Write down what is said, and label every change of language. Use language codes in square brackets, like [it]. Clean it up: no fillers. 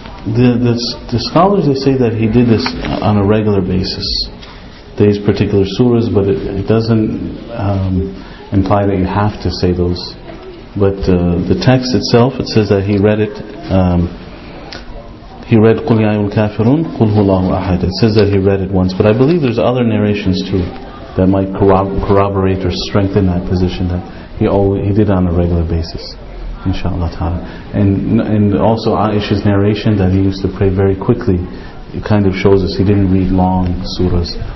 [en] The scholars, they say that he did this on a regular basis, these particular surahs, but it doesn't imply that you have to say those. But the text itself, it says that he read it. He read [ar] قُلْ يَا أَيُّهَا الْكَافِرُونَ قُلْ هُوَ اللَّهُ أَحَدٌ. [en] It says that he read it once, but I believe there's other narrations too that might corroborate or strengthen that position that he did on a regular basis, inshallah ta'ala. And also Aisha's narration that he used to pray very quickly, it kind of shows us he didn't read long surahs.